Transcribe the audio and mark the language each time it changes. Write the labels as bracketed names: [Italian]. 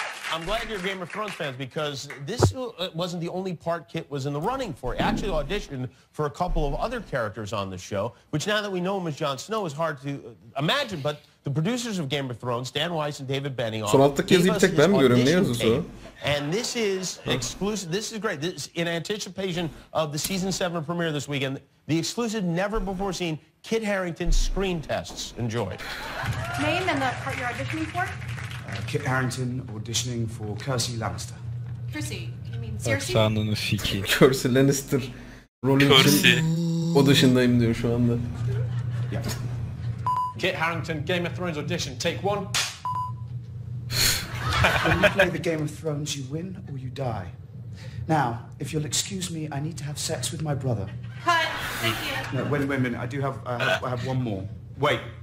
[English] I'm glad you're Game of Thrones fans because this wasn't the only part Kit was in the running for. He actually auditioned for a couple of other characters on the show, which now that we know him as Jon Snow is hard to imagine, but the producers of Game of Thrones, Dan Weiss and David Benioff, [Turkish] son altı kez bir tek ben mi görüyorum? Ne yazıyorsun? [English] And this is exclusive. This is great. This is in anticipation of the season 7 premiere this weekend. The exclusive never before seen Kit Harington screen tests. Enjoy. Name and the part you're auditioning for? Kit Harington auditioning for Cersei Lannister. Cersei, you mean Cersei? [Turkish] Aksanını fiki. Cersei Lannister rolü için auditiondayım diyor şu anda. [English] Yeah. Kit Harington, Game of Thrones audition, take one. When you play the Game of Thrones, you win or you die. Now, if you'll excuse me, I need to have sex with my brother. Cut, thank you. No, wait a minute, I do have, I have one more. Wait.